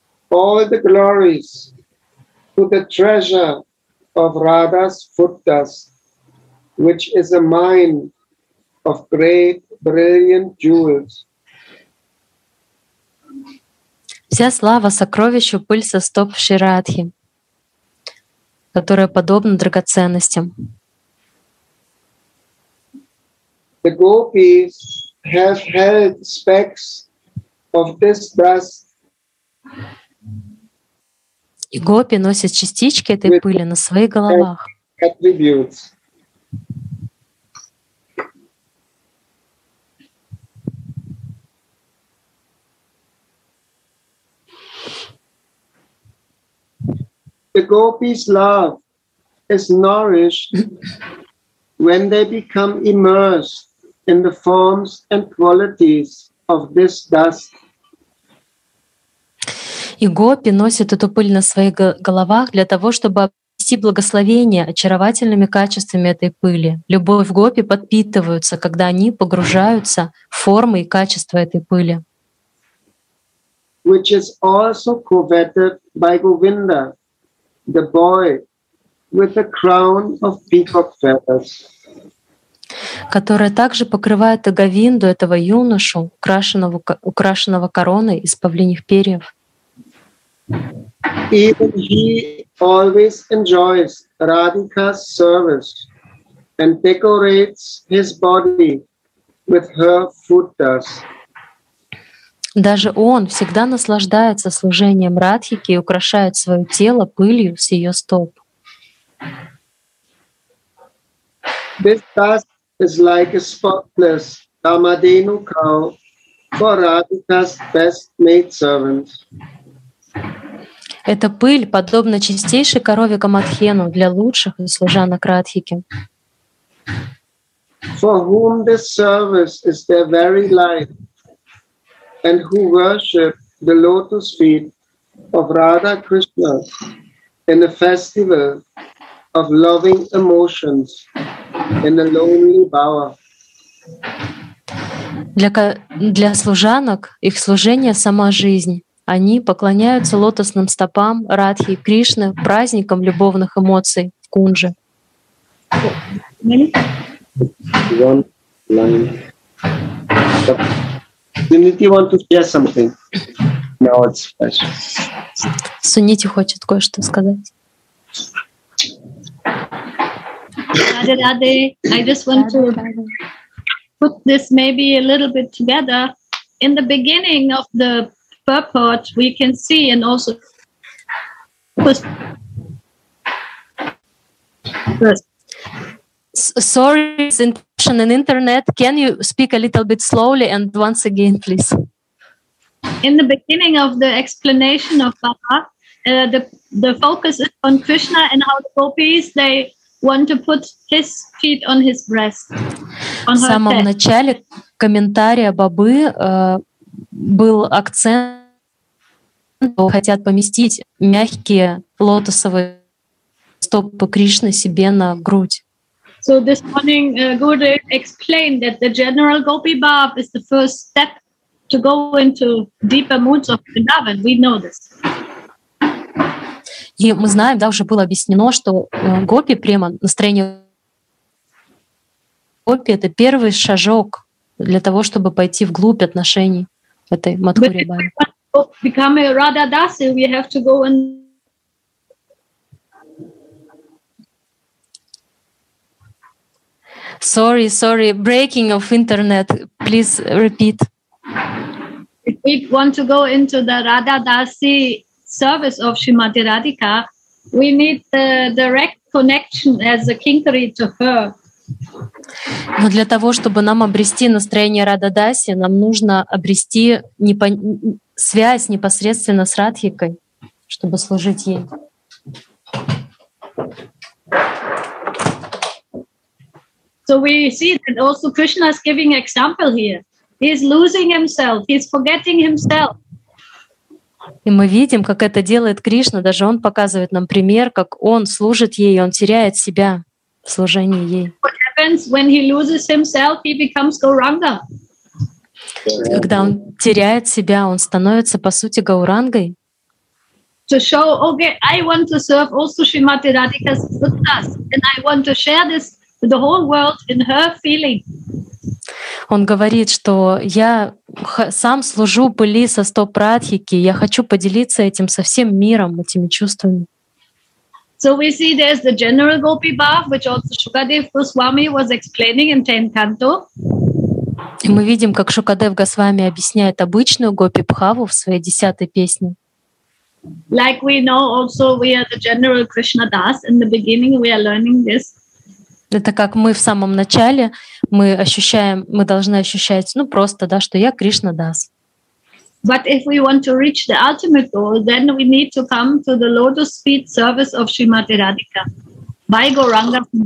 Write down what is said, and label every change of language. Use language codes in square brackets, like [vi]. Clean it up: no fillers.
[en] All the glories to the treasure of Radha's Futtas, which is a mine of great brilliant jewels. [ru] Вся слава сокровищу пыль со стоп Шри Радхи, которая подобна драгоценностям. [en] The gopis have held specks of this dust. [ru] И гопи носят частички этой пыли на своих головах. [en] Attributes. The gopis' love is nourished when they become immersed in the forms and qualities of this dust. [ru] И гопи носят эту пыль на своих головах для того, чтобы обрести благословение очаровательными качествами этой пыли. Любовь гопи подпитывается, когда они погружаются в формы и качества этой пыли. [en] Which is also coveted by Govinda, the boy with the crown of peacock feathers. [ru] Которая также покрывает и Говинду, этого юношу, украшенного короной из павлиньих перьев. [en] Even he always enjoys Radhika's service and decorates his body with her futtas. [ru] Даже он всегда наслаждается служением Радхики и украшает свое тело пылью с ее стоп. [en] This dust is like a spotless Kamadenu cow for Radhika's best maid servants. [ru] Эта пыль подобна чистейшей корове Камадхену для лучших служанок Радхики. [en] For whom this service is their very life, and who worship the lotus feet of Radha Krishna in a festival of loving emotions in a lonely bower. [ru] Для служанок их служение — сама жизнь. Они поклоняются лотосным стопам Радхи и Кришны праздником любовных эмоций в Кунже. [en] Суннити want to share something. Now it's special. [ru] Суннити хочет кое-что сказать. [en] I just want to put this maybe a little bit together. In the beginning of the purport, we can see and also sorry, it's interruption in internet. Can you speak a little bit slowly and once again, please? In the beginning of the explanation of Baba, the focus is on Krishna and how the gopis, they want to put his feet on his breast. [ru] В самом начале комментария Бабы был акцент, хотят поместить мягкие лотосовые стопы Кришны себе на грудь. [en] So this morning Gurudev explained that the general Gopi Bhav is the first step to go into deeper moods of Vrindavan. We know this. [ru] И мы знаем, да, уже было объяснено, что Гопи према настроение Гопи это первый шажок для того, чтобы пойти вглубь отношений этой Мадхури Бхав. [en] But if we want to become a Radha Dasi, we have to go and Sorry, breaking of internet. Please repeat. If we want to go into the Radha Dasi service of Srimati Radhika, we need the direct connection as a kinkari to her. [ru] Но для того, чтобы нам обрести настроение Радха Даси, нам нужно обрести связь непосредственно с Радхикой, чтобы служить ей. [en] So we see that also Krishna is giving example here. He is losing himself. He is forgetting himself. [ru] И мы видим, как это делает Кришна. Даже он показывает нам пример, как он служит ей, он теряет себя в служении ей. [en] What happens when he loses himself? He becomes Gauranga. [ru] Когда он теряет себя, он становится по сути Гаурангой. [en] To show, okay, I want to serve also Shrimati Radhika's suttas, and I want to share this with the whole world in her feeling. [ru] Он говорит, что я сам служу пыли со стоп Радхики, я хочу поделиться этим со всем миром, этими чувствами. [en] So we see there's the general Gopi Bhava, which also Shukadev Goswami was explaining in 10th canto. [ru] И мы видим, как Шукадев Госвами объясняет обычную Гопи Бхаву в своей 10-й песне. [en] Like we know also we are the general Krishna Das in the beginning we are learning this. [ru] Это как мы в самом начале, мы ощущаем, мы должны ощущать, ну просто, да, что я Кришна Дас. [en] But if we want to reach the ultimate goal, then we need to come to the lotus feet service of Shrimati Radhika by Gauranga.